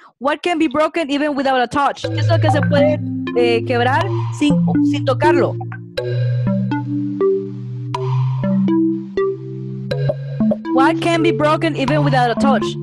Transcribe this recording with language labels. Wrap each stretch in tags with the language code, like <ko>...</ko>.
<en>What can be broken even without a touch?</en> <es>¿Qué es lo que se puede quebrar sin tocarlo?</es> <en>What can be broken even without a touch?</en>